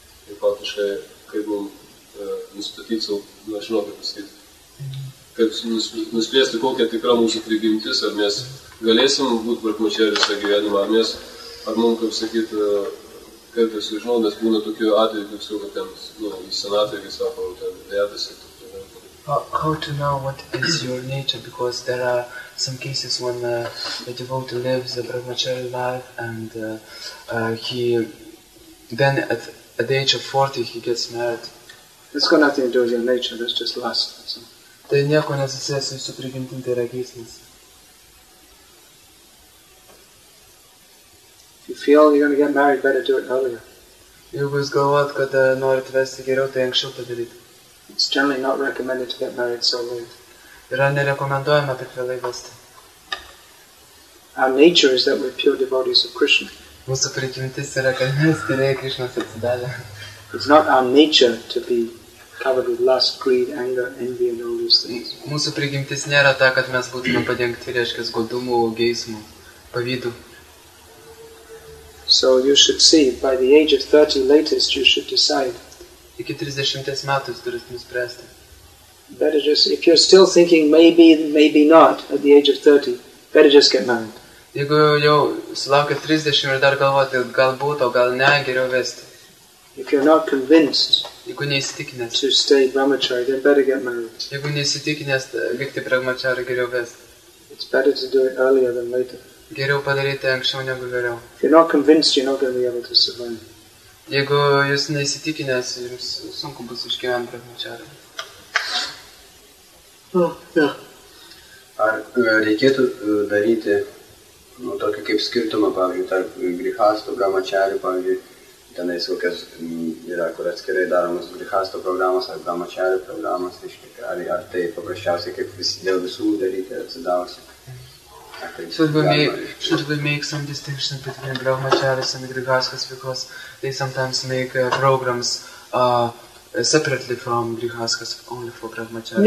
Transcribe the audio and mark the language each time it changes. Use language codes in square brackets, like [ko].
[lt] Ir faktiškai, kaip mums nustatyti savo, nežinau, kaip pasakyti, kaip nuspręsti, kokia tikra mūsų prigimtis, ar mes galėsim būti Brahmacharis tą gyvenimą, ar mes, ar mums, kaip sakyti, kaip jūs žinau, nes būna tokių atvejų, kaip jūsų, kad ten, į senatvę, kai sako, ten dėdasi. [en] How to know what is your nature? Because there are some cases when a devotee lives a brahmachari life and he, then at the age of 40, he gets married. It's got nothing to do with your nature, that's just lust. [lt] Tai nieko nesusijęs su jūsų prigimtim, tai yra geismas. [en] You feel you're going to get married, better do it earlier. You always go out, [lt] kad norit vesti geriau, tai anksčiau padaryt. [en] It's generally not recommended to get married so late. [lt] Yra nerekomenduojama taip vėlai vesti. [en] Our nature is that we're pure devotees of Krishna. [lt] Mūsų prigimtis yra, kad mes tyrėjai Krishnas atsidavę. [en] It's not our nature to be covered with lust, greed, anger, envy and all these things. [lt] Mūsų prigimtis nėra ta, kad mes būtume padengti, reiškia, godumų, geismų, pavydų. [en] So you should see, by the age of 30 latest, you should decide. [lt] Iki 30 metų turit nuspręsti. [en] Better just, if you're still thinking maybe, maybe not, at the age of 30, better just get married. [lt] Jeigu jau sulaukit 30 ir dar galvoti, galbūt, o gal ne, geriau vesti. [en] If you're not convinced, [lt] jeigu neįsitikinęs, [en] to stay brahmachari, then better get married. [lt] Jeigu neįsitikinęs, likti brahmachari, geriau vesti. [en] It's better to do it earlier than later. [lt] Geriau padaryti anksčiau negu vėliau. [en] If you're not convinced, you're not going to be able to survive. [lt] Jeigu jūs neįsitikinęs, jums sunku bus išgyventi brahmacharį. Ar reikėtų daryti tokį kaip skirtumą, pavyzdžiui, tarp grihastų, brahmacharių, pavyzdžiui, tenais kokias yra, kur atskirai daromas grihastų programas ar brahmacharių programas, ar tai paprasčiausiai kaip dėl visų daryti atsidavusi? [en] Should we make some distinction between brahmacharis and grihaskas, because they sometimes make programs separately from grihaskas, only for brahmacharis?